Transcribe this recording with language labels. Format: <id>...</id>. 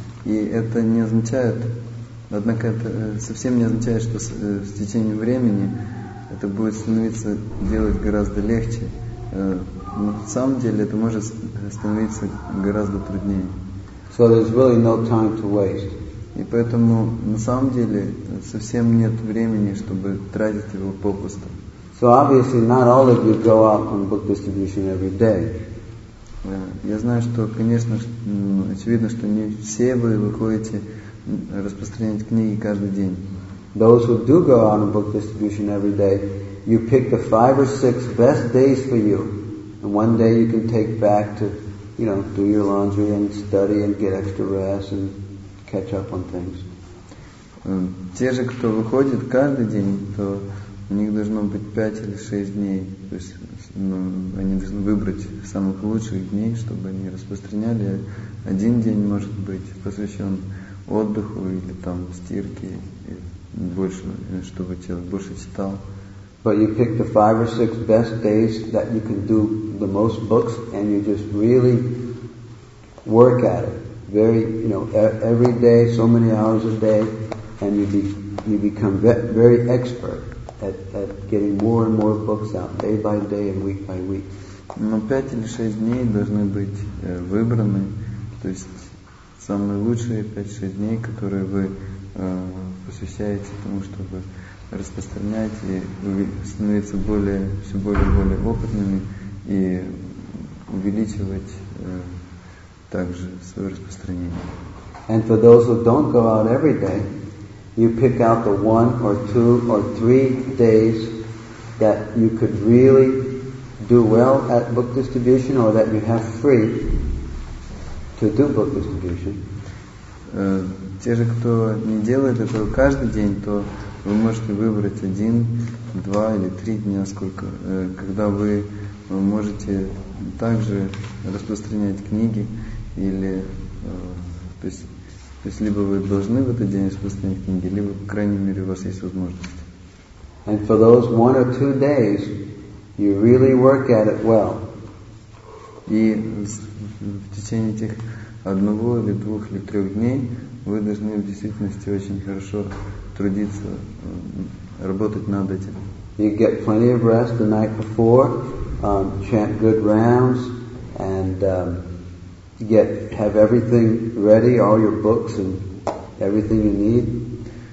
<ru>И это не означает, однако это совсем не означает, что с течением времени это будет становиться делать гораздо легче. Но на самом деле это может становиться гораздо труднее.</ru> <en>So there's really no time to waste.</en> <ru>И поэтому на самом деле совсем нет времени, чтобы тратить его попусту.</ru> <en>So obviously not all of you go out on book distribution every day.</en> <ru>Я знаю, что, конечно, очевидно, что не все вы выходите распространять книги каждый день.</ru> <en>Those who do go out on book distribution every day, you pick the 5 or 6 best days for you, and one day you can take back to, you know, do your laundry and study and get extra rest and catch up on things.</en> <ru>Те же, кто выходит каждый день, то у них должно быть 5 или 6 дней, то есть они должны выбрать самых лучших дней, чтобы они распространяли. Один день может быть посвящен отдыху или там стирке, и больше, чтобы человек больше читал.</ru> <en>But you pick the 5 or 6 best days that you can do the most books, and you just really work at it. Very, you know, every day, so many hours a day, and you become very expert. At getting more and more books out day by day and week by week.</en> <ru>Но 5 или 6 дней должны быть выбраны, то есть самые лучшие 5-6 дней, которые вы посвящаете тому, чтобы распространять и становиться более, все более и более опытными и увеличивать также свое распространение.</ru> <en>And for those who don't go out every day, you pick out the 1 or 2 or 3 days that you could really do well at book distribution, or that you have free to do book distribution.</en> <ru>Те же, кто не делает этого каждый день, то вы можете выбрать 1, 2 или 3 дня, сколько, когда вы можете также распространять книги или, то есть. То есть либо вы должны в этот день распространять книги, либо, по крайней мере, у вас есть возможность.</ru> <en>And for those 1 or 2 days, you really work at it well.</en> <ru>И в течение этих 1, 2 или 3 дней вы должны в действительности очень хорошо трудиться, работать над этим.</ru> <en>You get plenty of rest the night before, chant good rounds, and have everything ready, all your books and everything you need.</en>